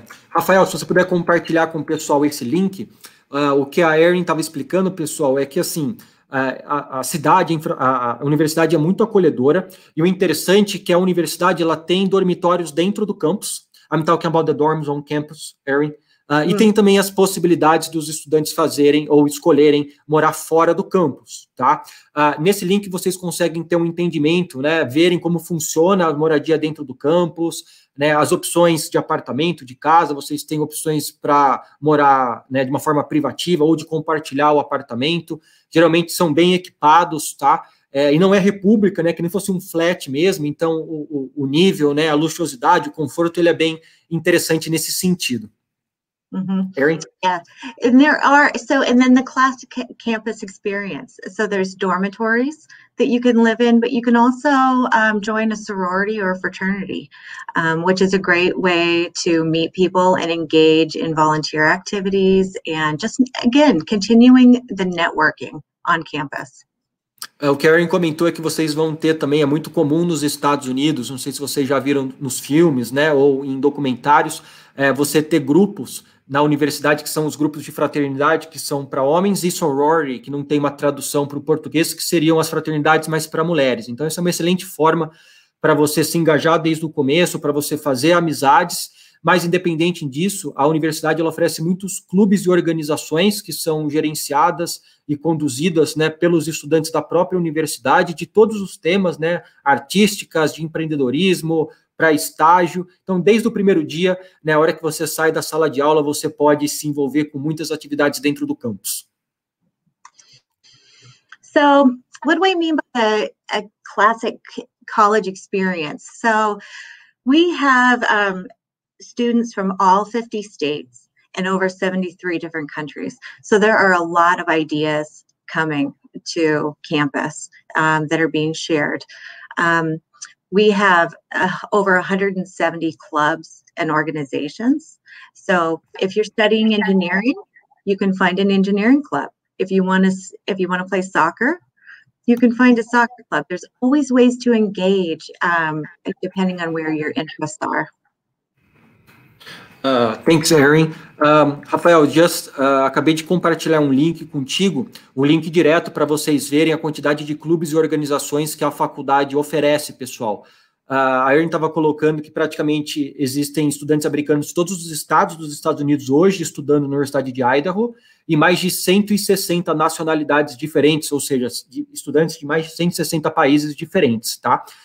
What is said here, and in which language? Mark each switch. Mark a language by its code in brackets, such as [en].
[pt] Rafael, se você puder compartilhar com o pessoal esse link, o que a Erin estava explicando, pessoal, é que assim, a universidade é muito acolhedora, e o interessante é que a universidade ela tem dormitórios dentro do campus. [en] I'm talking about the dorms on campus, Erin. [pt] E tem também as possibilidades dos estudantes fazerem ou escolherem morar fora do campus, tá? Nesse link vocês conseguem ter um entendimento, né? Verem como funciona a moradia dentro do campus, né? As opções de apartamento, de casa, vocês têm opções para morar, né, de uma forma privativa ou de compartilhar o apartamento. Geralmente são bem equipados, tá? E não é república, né? Que nem fosse um flat mesmo, então o nível, né, a luxuosidade, o conforto, ele é bem interessante nesse sentido. Mm-hmm. [en] Yeah, and there are so, and then the classic campus experience. So there's dormitories that you can live in, but you can also join a sorority or a fraternity, which is a great way to meet people and engage in volunteer activities and just again continuing the networking on campus. [pt] O que a Erin comentou é que vocês vão ter também, é muito comum nos Estados Unidos, não sei se vocês já viram nos filmes, né, ou em documentários, você ter grupos na universidade, que são os grupos de fraternidade, que são para homens, e sorority, que não tem uma tradução para o português, que seriam as fraternidades, mas para mulheres. Então, essa é uma excelente forma para você se engajar desde o começo, para você fazer amizades, mas independente disso, a universidade ela oferece muitos clubes e organizações que são gerenciadas e conduzidas, né, pelos estudantes da própria universidade, de todos os temas, né, artísticas, de empreendedorismo, para estágio. Então, desde o primeiro dia, né, a hora que você sai da sala de aula, você pode se envolver com muitas atividades dentro do campus. [en] So, what do I mean by a classic college experience? So, we have students from all 50 states and over 73 different countries. So, there are a lot of ideas coming to campus that are being shared. We have over 170 clubs and organizations. So if you're studying engineering, you can find an engineering club. If you want to play soccer, you can find a soccer club. There's always ways to engage depending on where your interests are. Thanks, Erin. [pt] Rafael, just acabei de compartilhar um link contigo, um link direto para vocês verem a quantidade de clubes e organizações que a faculdade oferece, pessoal. A Erin estava colocando que praticamente existem estudantes americanos de todos os estados dos Estados Unidos hoje estudando na Universidade de Idaho, e mais de 160 nacionalidades diferentes, ou seja, estudantes de mais de 160 países diferentes, tá?